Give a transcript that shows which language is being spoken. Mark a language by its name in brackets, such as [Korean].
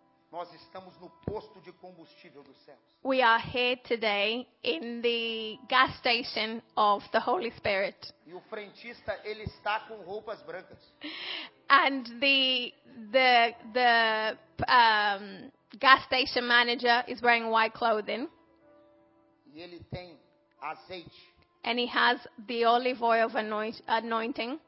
[Portuguese] Nós estamos no posto de combustível dos céus. [English] We are here today in the gas station of the Holy Spirit. [Portuguese] E o frentista, ele está com roupas brancas. [English] And the gas station manager is wearing white clothing. [Portuguese] E ele tem azeite. [English] And he has the olive oil of anointing.